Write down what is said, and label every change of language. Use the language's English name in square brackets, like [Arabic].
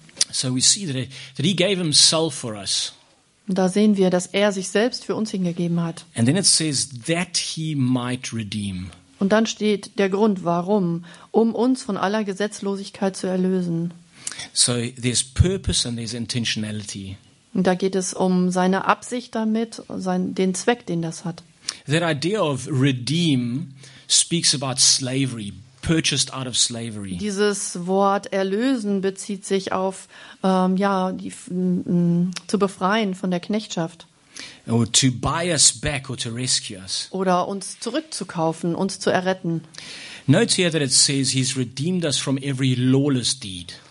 [English] So we see that he gave himself for us. [German] Da sehen wir, dass er sich selbst für uns hingegeben hat. [English] And then it says that he might redeem. [German] Und dann steht der Grund, warum, um uns von aller Gesetzlosigkeit zu erlösen. [English] So there's purpose and there's intentionality. [German] Und da geht es um seine Absicht damit, den Zweck, den das hat. [English] That idea of redeem speaks about slavery, purchased out of slavery. [German] Dieses Wort erlösen bezieht sich auf zu befreien von der Knechtschaft. [English] Or to buy us back or to rescue us. [German] Oder uns zurückzukaufen, uns zu erretten. [English] Note here that it says he's redeemed us from every lawless deed.